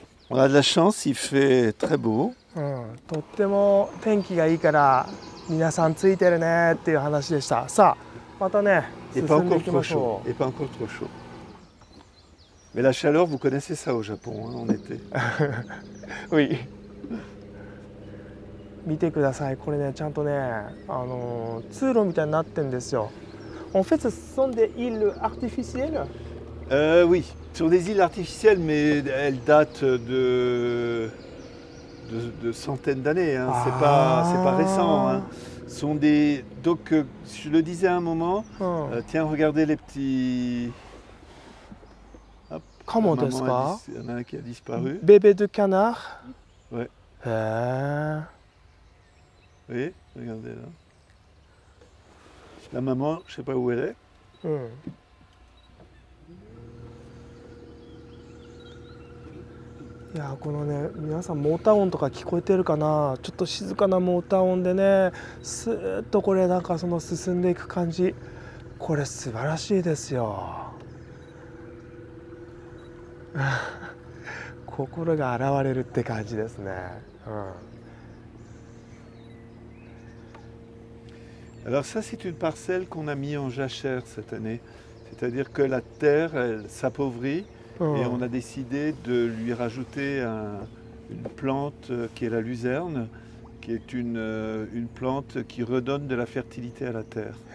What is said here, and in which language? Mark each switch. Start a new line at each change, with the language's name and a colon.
French: On a de la chance, il fait très beau. Tellement le temps est bon, donc tout le monde est en train de se faire. Allez, on va continuer. Et pas encore trop chaud. Mais la chaleur, vous connaissez ça au Japon, hein, en été. Oui.
Japanese: 見てください。これね、ちゃんとね、通路みたいになってんですよ。
French: En fait, ce sont des îles artificielles. Oui, ce sont des îles artificielles, mais elles datent de centaines d'années. Hein. C'est pas récent. Hein. Ce sont des. Donc, je le disais à un moment. Tiens, regardez les petits.
Japanese: カモですか？ベベドキャナー。へえ。
French: え、regardez là。 La maman, je sais pas où elle est。
Japanese: いやこのね、皆さんモーター音とか聞こえてるかな？ちょっと静かなモーター音でね、スーッとこれなんかその進んでいく感じ、これ素晴らしいですよ。心が現れるって感じですね。
French: Alors ça c'est une parcelle qu'on a mis en jachère cette année. C'est-à-dire que la terre elle s'appauvrit et on a décidé de lui rajouter une plante qui est la luzerne, qui est une plante qui redonne de la fertilité à la terre.